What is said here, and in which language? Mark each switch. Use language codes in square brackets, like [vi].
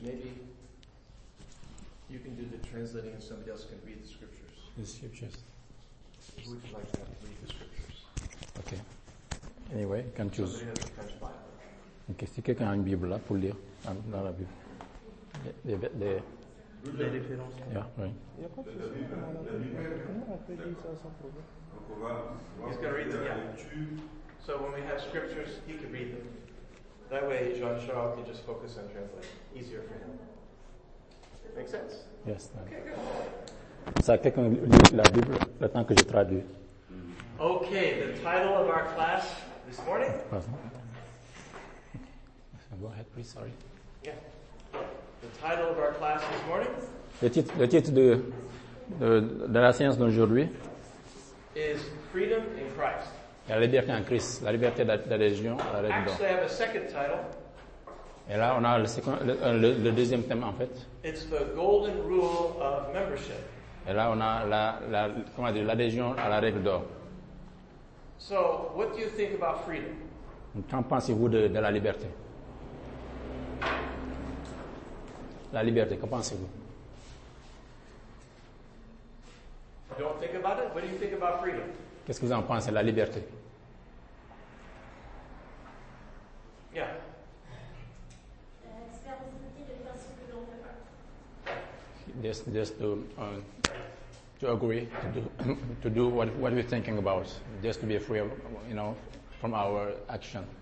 [en] Maybe you can do the translating and somebody else can read the scriptures. The scriptures. Who would you like to read the scriptures? Okay. Anyway, you can choose. Somebody has a French Bible. [fr] Okay, si quelqu'un a une Bible là pour lire, dans la Bible. Les références. Yeah, oui. Il n'y a pas de souci. Comment on peut lire ça sans problème? Donc on va. [en] He's going to read them, yeah. So when we have scriptures, he can read them. That way, Jean-Charles can just focus on translating. Easier for him. Make sense? Yes. Okay, good. [fr] Ça, quelqu'un lit la Bible le temps que je traduis. [en] Okay, the title of our class this morning. [fr] Pardon? [en] Go ahead, please, sorry. Yeah. The title of our class this morning. [fr] Le titre de la séance d'aujourd'hui. [en] Is freedom in Christ. [fr] Et la liberté en Christ, la liberté d'adhésion à la [en] religion. Actually, I have a second title. [fr] Et là, on a le deuxième thème, en fait. [en] It's the golden rule of membership. [fr] Et là, on a l'adhésion à la règle d'or. [en] So, what do you think about freedom? [fr] Qu'en pensez-vous de la liberté? La liberté, que pensez-vous? [en] Don't think about it. What do you think about freedom? [fr] Qu'est-ce que vous en pensez, la liberté? [en] Yeah. [fr] C'est la possibilité de faire ce que l'on veut. [en] Just to agree to do what we're thinking about, just to be free of, you know, from our action.